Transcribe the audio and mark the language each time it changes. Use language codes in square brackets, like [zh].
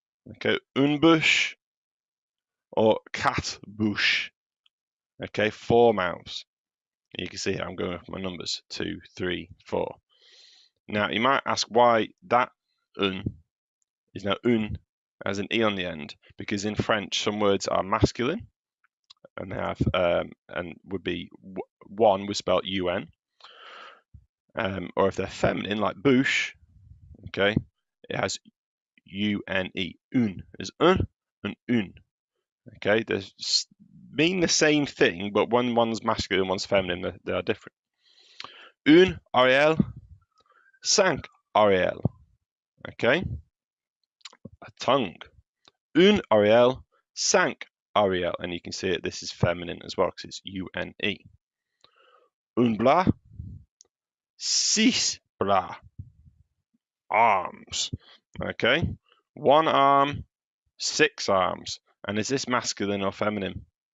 [fr] Okay, une bouche or quatre bouches. [en] Okay, four mouths. You can see I'm going with my numbers, two, three, four. Now you might ask why that un is now une. As an e on the end, because in French some words are masculine, and they have and would be one was spelt un, or if they're feminine like bouche, okay, it has une, une is un and une. Okay, they mean the same thing, but when one's masculine and one's feminine, they are different. [fr] Une oreille, cinq oreilles, okay. [en] A tongue. [fr] Une oreille, cinq oreilles. [en] And you can see that this is feminine as well because it's une. [fr] Un bras, six bras. Arms. Okay. [en] One arm, six arms. And is this masculine or feminine?